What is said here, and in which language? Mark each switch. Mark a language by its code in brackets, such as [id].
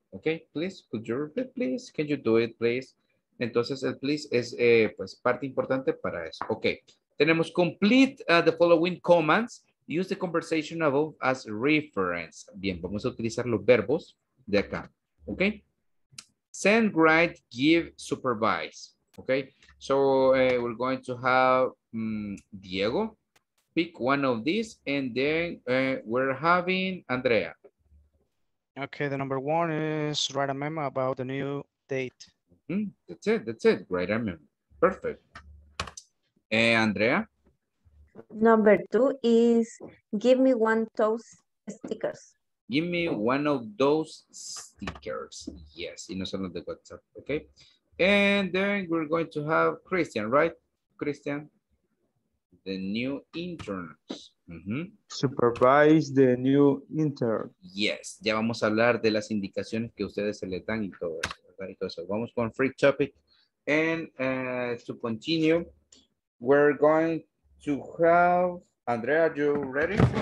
[en] Ok, please, could you repeat, please? Can you do it, please? [es] Entonces, el please es pues, parte importante para eso. [en] Ok, tenemos complete the following commands. Use the conversation above as reference. [es] Bien, vamos a utilizar los verbos de acá. [en] Ok, send, write, give, supervise. Ok, so we're going to have Diego pick one of these, and then we're having Andrea. Okay, the number one is write a memo about the new date. Mm-hmm. That's it. Write a memo. Perfect. Andrea? Number two is give me one of those stickers. Give me one of those stickers. Yes, [es] y no solo de WhatsApp. [en] Okay. And then we're going to have Christian, right? Christian? The new interns. Mm-hmm. Supervise the new intern. [es] Yes, ya vamos a hablar de las indicaciones que ustedes se le dan y todo eso, ¿verdad? Y todo eso. Vamos con free topic. [en] And to continue, we're going to have Andrea, are you ready?